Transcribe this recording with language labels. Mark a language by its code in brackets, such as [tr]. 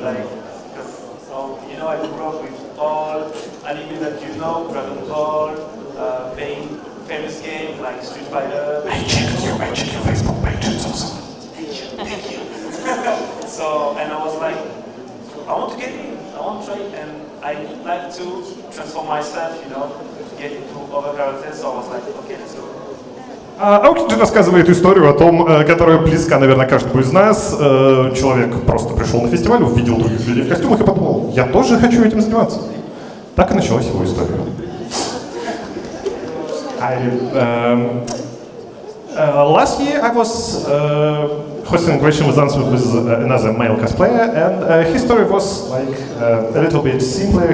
[en] Like, so you know, I grew up with all anime that you know, Dragon Ball, playing famous game like Street Fighter. I checked your Facebook page, it's awesome. Thank you. So, and I was like, I want to get in, I want to try, and I like to transform myself, you know, get into other characters, so I was like, okay, let's go. [ru] Aokiji рассказывает историю о том, которая близка, наверное, каждому из нас. Человек просто пришел на фестиваль, увидел других людей в костюмах и подумал, я тоже хочу этим заниматься. Так и началась его история. [en] Last year I was hosting a question with answer with another male cosplayer, and his story was like a little bit simpler.